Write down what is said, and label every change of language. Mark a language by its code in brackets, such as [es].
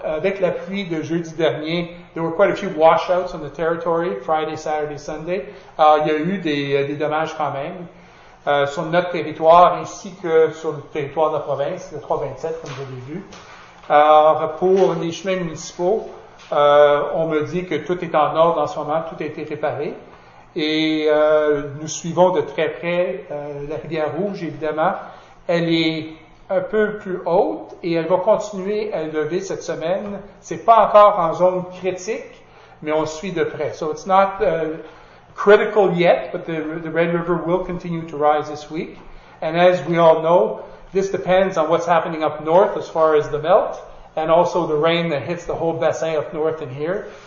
[fr] Avec la pluie de jeudi dernier, [en] there were quite a few washouts on the territory, Friday, Saturday, Sunday. [fr] Il y a eu des dommages quand même. Sur notre territoire ainsi que sur le territoire de la province, le 327, comme vous avez vu. Alors, pour les chemins municipaux, on me dit que tout est en ordre en ce moment, tout a été réparé. Et nous suivons de très près la rivière Rouge, évidemment. Elle est un peu plus haute et elle va continuer à lever cette semaine. C'est pas encore en zone critique, mais on suit de près. [en] So it's not critical yet, but the Red River will continue to rise this week. And as we all know, this depends on what's happening up north as far as the melt and also the rain that hits the whole bassin up north in here.